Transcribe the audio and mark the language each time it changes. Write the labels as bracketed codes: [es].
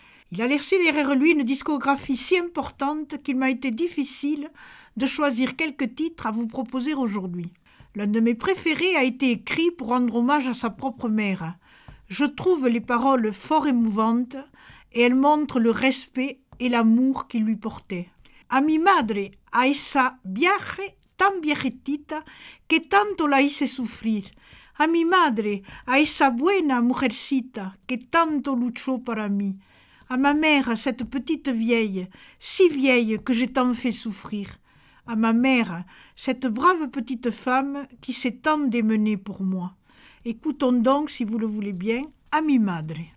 [fr] Il a laissé derrière lui une discographie si importante qu'il m'a été difficile de choisir quelques titres à vous proposer aujourd'hui. L'un de mes préférés a été écrit pour rendre hommage à sa propre mère. Je trouve les paroles fort émouvantes et elles montrent le respect et l'amour qu'il lui portait. [es] A mi madre, a esa viaje tan viejetita que tanto la hice sufrir. A mi madre, a esa buena mujercita que tanto luchó para mí. [fr] À ma mère, cette petite vieille, si vieille que j'ai tant fait souffrir. À ma mère, cette brave petite femme qui s'est tant démenée pour moi. Écoutons donc, si vous le voulez bien, à mi madre.